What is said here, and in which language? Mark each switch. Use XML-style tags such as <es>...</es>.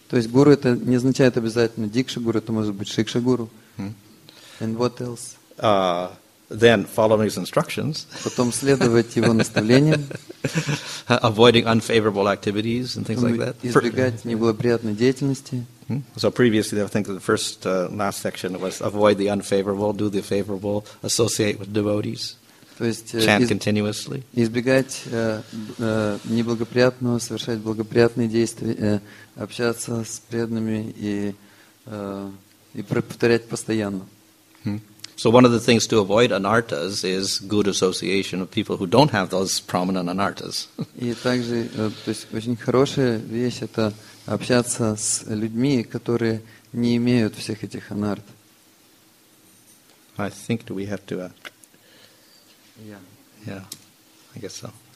<ru>То есть гуру это не означает обязательно дикша гуру, это может быть шикша гуру.</ru> <en>And what else? Then following his instructions.</en> <ru>Потом следовать его наставлениям.</ru> <en>Avoiding unfavorable activities and things like that.</en> <ru>Избегать неблагоприятной деятельности.</ru> <en>So previously, I think the first last section was avoid the unfavorable, do the favorable, associate with devotees, chant continuously.</en> <ru>Избегать неблагоприятного, совершать благоприятные действия, общаться с преданными и повторять постоянно.</ru> <en>So one of the things to avoid anartas is good association of people who don't have those prominent anartas.</en> <ru>И также, то есть очень хорошая вещь это общаться с людьми, которые не имеют всех этих анарт.</ru> <en>I think we have to. Yeah, I guess so.</en>